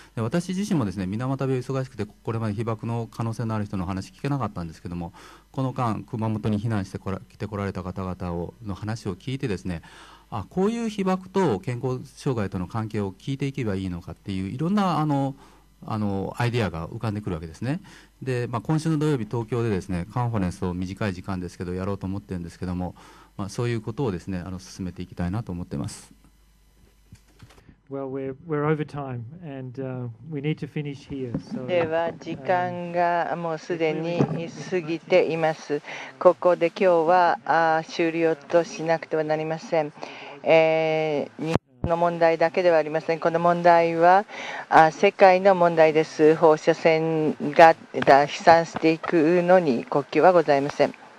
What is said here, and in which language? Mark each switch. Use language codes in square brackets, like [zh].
[ja] で私自身もですね、水俣病忙しくて、これまで被爆の可能性のある人の話聞けなかったんですけども、この間熊本に避難して来てこられた方々をの話を聞いてですね、こういう被爆と健康障害との関係を聞いていけばいいのかっていう、いろんなアイデアが浮かんでくるわけですね。で、今週の土曜日東京でですね、カンファレンスを短い時間ですけどやろうと思ってるんですけども、そういうことをですね、進めていきたいなと思ってます。 [en] Well, we're over time, and we need to finish here. [ja] では時間がもうすでに過ぎています。ここで今日は終了としなくてはなりません。日本の問題だけではありません。この問題は世界の問題です。放射線が飛散していくのに国境はございません。